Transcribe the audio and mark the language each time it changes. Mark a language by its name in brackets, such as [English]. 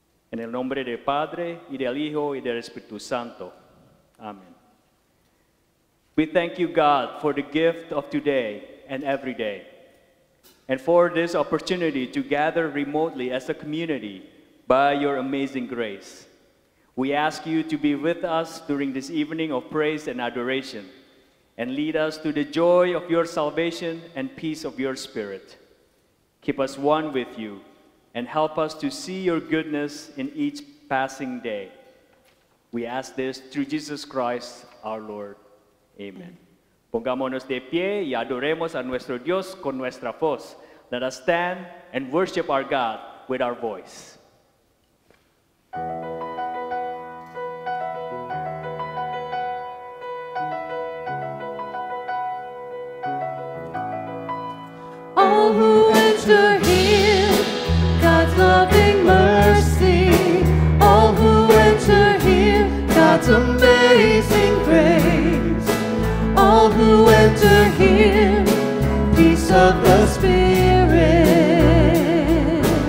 [Spanish] En el nombre del Padre, y del Hijo, y del Espíritu Santo. [English] Amen. We thank you, God, for the gift of today and every day, and for this opportunity to gather remotely as a community by your amazing grace. We ask you to be with us during this evening of praise and adoration, and lead us to the joy of your salvation and peace of your Spirit. Keep us one with you, and help us to see your goodness in each passing day. We ask this through Jesus Christ, our Lord. Amen. [Spanish] Pongámonos de pie y adoremos a nuestro Dios con nuestra voz. [English] Let us stand and worship our God with our voice. All who enter here, God's loving mercy, all who enter here, God's amazing grace, all who enter here, peace of the Spirit,